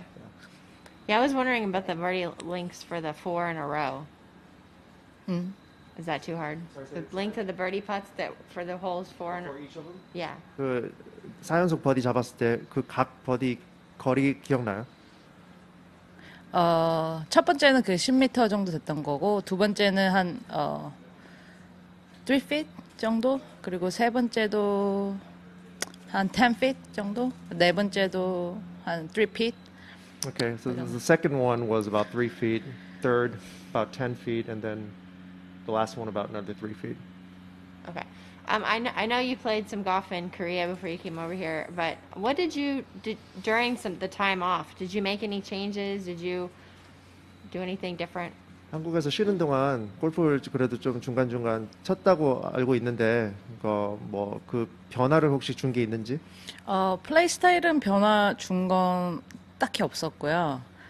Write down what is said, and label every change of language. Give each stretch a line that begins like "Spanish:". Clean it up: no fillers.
English: Yeah. Yeah, I was wondering about the birdie links for the four in a row. Is that too hard? The length of the birdie putts that for the holes four in a row? Each of them? Yeah.
Korean: 4연속 버디 잡았을 때 그 각 버디 거리 기억나요? 첫 번째는 그 10m 정도 됐던 거고 두 번째는 한 3feet 정도 그리고 세 번째도 한 10 feet 정도. 네 번째도 한 3 feet.
English: Okay, so the second one was about 3 feet. Third, about 10 feet, and then the last one about another 3 feet. Okay. I know you played some golf in Korea before you came over here, but what did you do during the time off? Did you make any changes? Did you do anything different?
Korean: 한국에서 쉬는 동안 골프를 그래도 좀 중간중간 쳤다고 알고 있는데 그 변화를 혹시 준 게 있는지? 플레이 스타일은 변화 준 건 딱히 없었고요.